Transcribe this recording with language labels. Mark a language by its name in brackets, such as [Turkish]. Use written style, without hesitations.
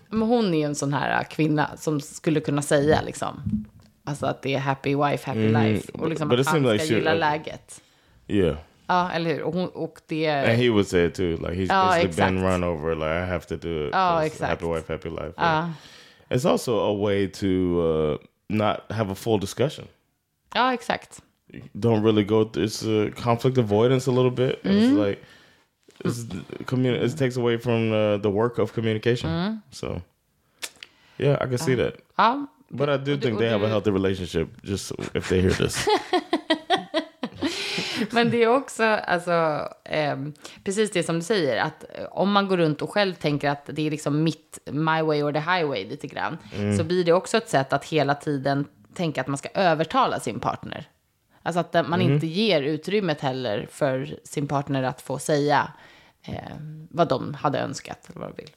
[Swedish] Men hon är ju en sån här kvinna som skulle kunna säga liksom, alltså att det är [English] happy wife, happy life. [Swedish] Och liksom att han ska like gilla läget. [English] Yeah. [Swedish] Ja, eller hur? Och det är... [English] And he would say it too. Like, he's basically been run over. Like, I have to do it. [Swedish] Ja, exakt. [English] Happy wife, happy life. [Swedish] Ja. [English] It's also a way to not have a full discussion. [Swedish] Ja, exakt. [English] You don't really go through... It's a conflict avoidance a little bit. It's like... It takes away from the work of communication. Mm. So, yeah, I can see that. But I do think they have a healthy relationship, just if they hear this. [Swedish] Men det är också, alltså, precis det som du säger, att om man går runt och själv tänker att det är liksom mitt, [English] my way or the highway [Swedish] lite grann, så blir det också ett sätt att hela tiden tänka att man ska övertala sin partner. Alltså att man inte ger utrymmet heller för sin partner att få säga vad de hade önskat eller vad de vill.